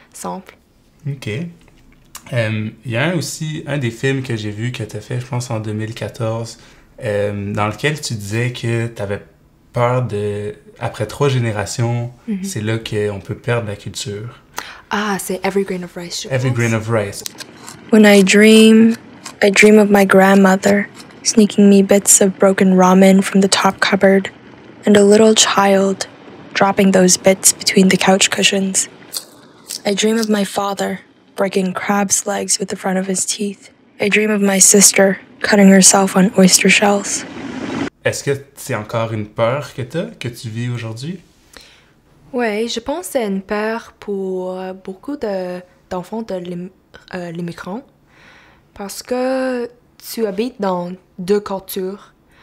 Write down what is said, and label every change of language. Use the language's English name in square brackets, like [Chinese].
[French] OK. Il y a aussi un des films que j'ai vu que tu as fait, je pense, en 2014, dans lequel tu disais que tu avais peur de. Après 3 générations, c'est là qu'on peut perdre la culture. Ah, c'est Every Grain of Rice, je [English] Every grain [French] pense. [English] of rice. When I dream of my grandmother sneaking me bits of broken ramen from the top cupboard, and a little child dropping those bits between the couch cushions. I dream of my father breaking crab's legs with the front of his teeth. I dream of my sister cutting herself on oyster shells. [French] Est-ce que c'est encore une peur que t'as, que tu vis aujourd'hui? Oui, je pense que c'est une peur pour beaucoup d'enfants de l'immigrant parce que tu habites dans deux cultures.